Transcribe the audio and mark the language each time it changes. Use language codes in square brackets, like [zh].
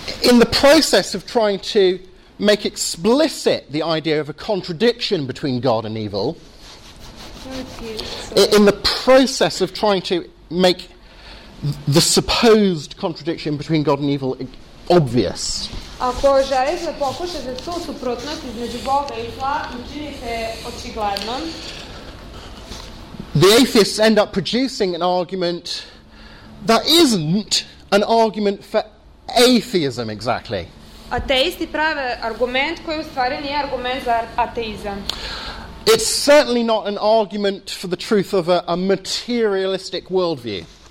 [en] In the process of trying to make explicit the idea of a contradiction between God and evil, in the process of trying to make the supposed contradiction between God and evil obvious. [sr] Ako želiš da pokušaš da tu suprotnost između Boga i zla učini se očiglednom, [en] the atheists end up producing an argument that isn't an argument for atheism exactly. [sr] Ateisti prave argument koji u stvari nije argument za ateizam. [en] It's certainly not an argument for the truth of a materialistic worldview.